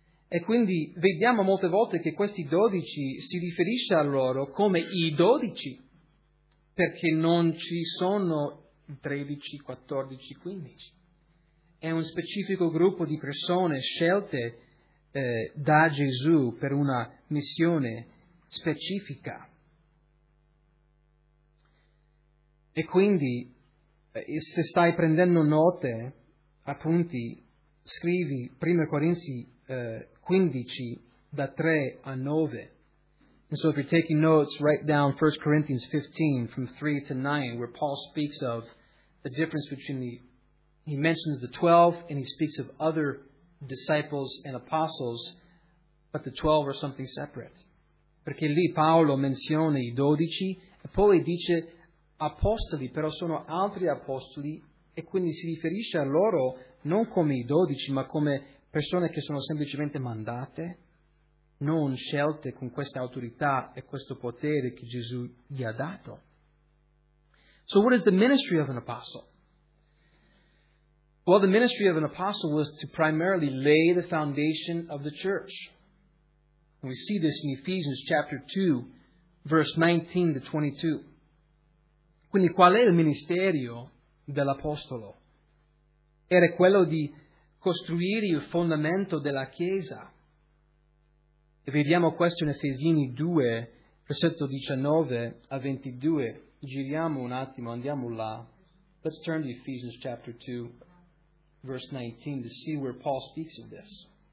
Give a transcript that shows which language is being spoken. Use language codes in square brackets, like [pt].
[it] E quindi vediamo molte volte che questi 12 si riferisce a loro come i 12, perché non ci sono 13, 14, 15. È un specifico gruppo di persone scelte da Gesù per una missione specifica. E quindi, se stai prendendo note, appunti, scrivi 1 Corinzi 15, da 3 a 9. [en] And so if you're taking notes, write down 1 Corinthians 15, from 3 to 9, where Paul speaks of the difference between he mentions the 12, and he speaks of other disciples and apostles, but the 12 are something separate. [it] Perché lì Paolo menziona i 12, e poi dice apostoli, però sono altri apostoli, e quindi si riferisce a loro non come i 12, ma come persone che sono semplicemente mandate, non scelte con questa autorità e questo potere che Gesù gli ha dato. [en] So what is the ministry of an apostle? Well, the ministry of an apostle was to primarily lay the foundation of the church. And we see this in Ephesians chapter 2, verse 19 to 22. [it] Quindi qual è il ministerio dell'apostolo? Era quello di costruire il fondamento della Chiesa. E vediamo questo in Efesini 2, versetto 19 a 22. Giriamo un attimo, andiamo là. [en] Let's turn to Ephesians chapter 2, verse 19, to see where Paul speaks of this.